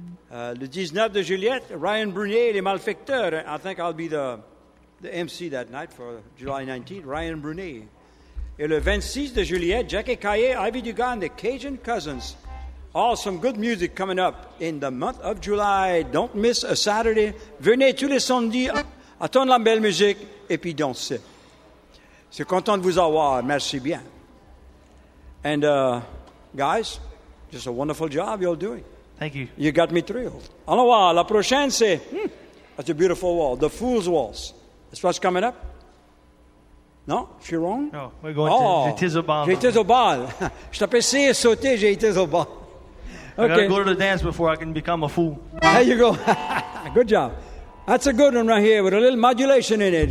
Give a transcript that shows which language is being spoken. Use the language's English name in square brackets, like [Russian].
[French] Le 19 de Juliette, Ryan Brunier et les Malfecteurs. [English] I think I'll be the MC that night for July 19th, Ryan Brunier. [French] Et le 26 de Juliette, Jackie Caillé, Ivy Dugas and the Cajun Cousins. [English] Awesome, good music coming up in the month of July. Don't miss a Saturday. [French] Venez tous les samedis, attendre la belle musique et puis danser. C'est content de vous avoir. Merci bien. [English] And guys, just a wonderful job you're doing. Thank you. You got me thrilled. [French] Au revoir. La prochaine, c'est... [English] That's a beautiful wall. The Fool's Waltz. That's what's coming up. [French] Non? Je suis [English] wrong? No, we're going to... [French] J'étais au bal. J'étais au bal. Je t'appelais essayer de sauter, j'étais au bal. [English] Okay. I got to go to the dance before I can become a fool. There you go. Good job. That's a good one right here with a little modulation in it.